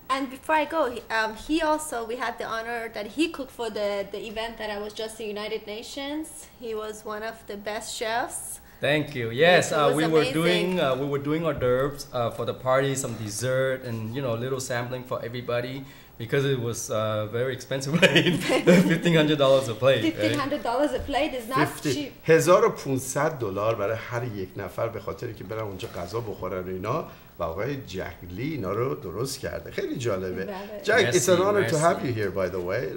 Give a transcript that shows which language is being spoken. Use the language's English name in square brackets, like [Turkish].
[English] And before I go, he also, we had the honor that he cooked for the event that I was just in United Nations. He was one of the best chefs. Thank you. Yes, we were doing hors d'oeuvres for the party, some dessert, and you know, a little sampling for everybody, because it was very expensive. $1,500 a plate. $1,500 a plate is not 50. Cheap. [Persian] $1,500 برای هر یک نفر به خاطر که برن اونجا غذا بخورن و اینا. و آقای جکلی اینا رو درست کرده. خیلی جالبه. [English] Jack, it's an honor to have you here, by the way.